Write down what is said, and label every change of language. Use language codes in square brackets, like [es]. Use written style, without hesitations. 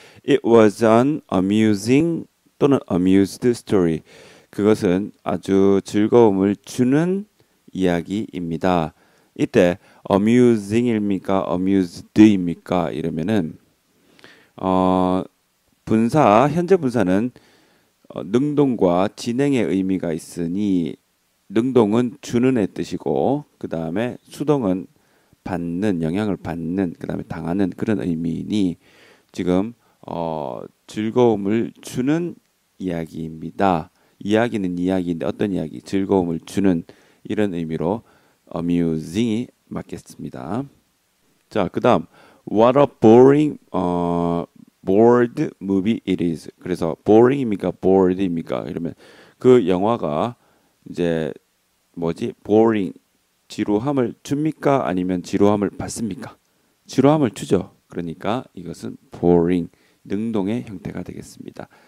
[en] It was an amusing [ko] 또는 [en] amused story. [ko] 그것은 아주 즐거움을 주는 이야기입니다. 이때 amusing입니까? amused입니까? 이러면은 분사, 현재 분사는 능동과 진행의 의미가 있으니 능동은 주는 의 뜻이고 그 다음에 수동은 받는, 영향을 받는, 그 다음에 당하는 그런 의미이니 지금 즐거움을 주는 이야기입니다. 이야기는 이야기인데 어떤 이야기? 즐거움을 주는 이런 의미로 amusing이 맞겠습니다. 자, 그 다음 [en] What a boring, bored movie it is. [ko] 그래서 boring입니까? bored입니까? 이러면 그 영화가 이제 뭐지? boring 지루함을 줍니까? 아니면 지루함을 받습니까? 지루함을 주죠. 그러니까 이것은 boring 능동의 형태가 되겠습니다.